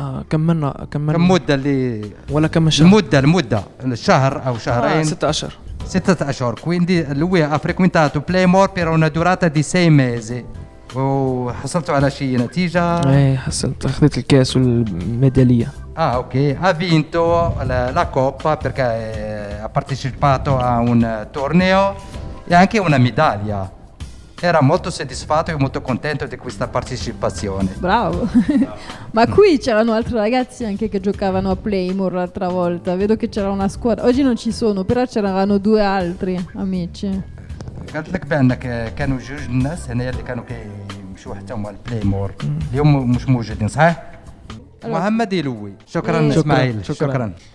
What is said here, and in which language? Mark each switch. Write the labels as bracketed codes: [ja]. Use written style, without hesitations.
[ar] كم مدة اللي ولا كم شهر المدة الشهر او شهرين 16 [it] 16 quindi lui ha frequentato Playmore per una durata di 6 mesi e [ar] حصلتوا على شي نتيجة حصلت اخذت الكاس والميدالية [it] ok ha vinto la coppa perché ha partecipato a un torneo e anche una medaglia era molto soddisfatto e molto contento di questa partecipazione bravo ma qui c'erano altri ragazzi anche che giocavano a Playmore l'altra volta vedo che c'era una squadra oggi non ci sono però c'erano due altri amici [ar] قلت لك بانك كانوا جوج الناس هنا اللي كانوا كيمشيو حتى هما البلايمور اليوم مش موجودين صحيح محمد يلوي شكرا اسماعيل شكرا